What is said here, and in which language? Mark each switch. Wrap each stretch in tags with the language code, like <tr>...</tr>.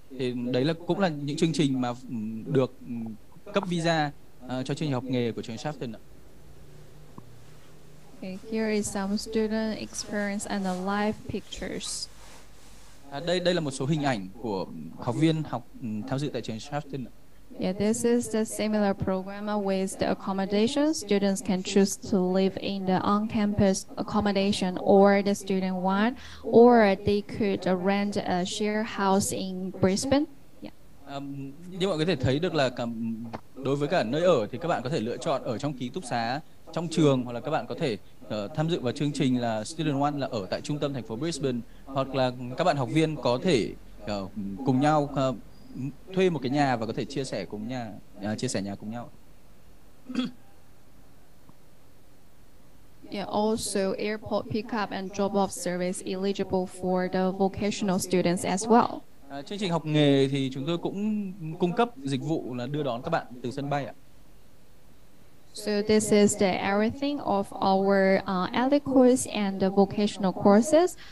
<vi>Thì đấy là cũng là những chương trình mà được cấp visa cho chương trình học nghề của trường Shelton ạ.</vi> <en>Okay, here is some student experience and the live pictures.</en> <vi>Đây là một số hình ảnh của học viên học tham dự tại trường Shelton ạ.</vi> <en>Yeah, this is the similar program with the accommodation. Students can choose to live in the on-campus accommodation or the student one, or they could rent a share house in Brisbane. Yeah.</en> <vi>Như mọi người có thể thấy được là đối với cả nơi ở thì các bạn có thể lựa chọn ở trong ký túc xá trong trường, hoặc là các bạn có thể tham dự vào chương trình là student one là ở tại trung tâm thành phố Brisbane, hoặc là các bạn học viên có thể cùng nhau thuê một cái nhà và có thể chia sẻ nhà cùng nhau.</vi> <en>Yeah, also airport pickup and drop off service eligible for the vocational students as well.</en> <vi>Chương trình học nghề thì chúng tôi cũng cung cấp dịch vụ là đưa đón các bạn từ sân bay ạ.</vi> <en>So this is the everything of our ELE course and the vocational courses.</en>